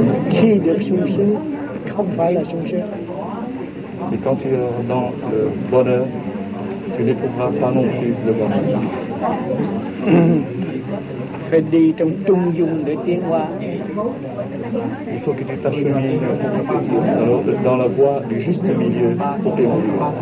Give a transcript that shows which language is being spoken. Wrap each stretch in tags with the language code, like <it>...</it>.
<vi>Khi được sung sướng không phải là sung sướng.</vi> <fr>Et quand tu es dans le bonheur, tu n'éprouveras pas non plus le bonheur.</fr> <vi>Phải đi trong trung dung để tiến hóa.</vi> <fr>Il faut que tu t'achemines dans la voie du juste milieu pour évoluer.</fr>